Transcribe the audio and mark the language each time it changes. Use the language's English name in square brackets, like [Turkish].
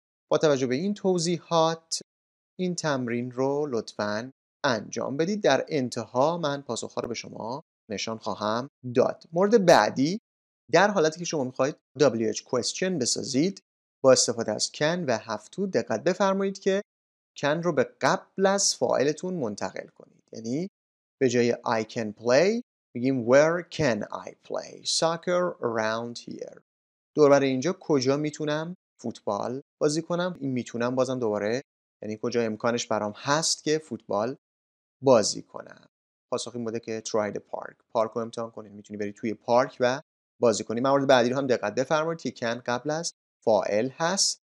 [Persian] با توجه به این توضیحات این تمرین رو لطفاً انجام بدید. در انتها من پاسخ‌ها رو به شما نشان خواهم داد. مورد بعدی، در حالتی که شما می‌خواید WH question بسازید با استفاده از can و have to، دقت بفرمایید که can رو به قبل از فاعلتون منتقل کنید. یعنی به جای [English] I can play بگیم where can I play soccer around here. [Persian] دوباره اینجا کجا میتونم فوتبال بازی کنم؟ این میتونم بازم دوباره، یعنی کجا امکانش برام هست که فوتبال بازی کنم. پاسخ این بوده که [English] try the park، [Persian] پارک رو امتحان کنید، میتونی بری توی پارک و بازی کنی. مورد بعدی رو هم دقت بفرمایید که can قبل از فاعل هست.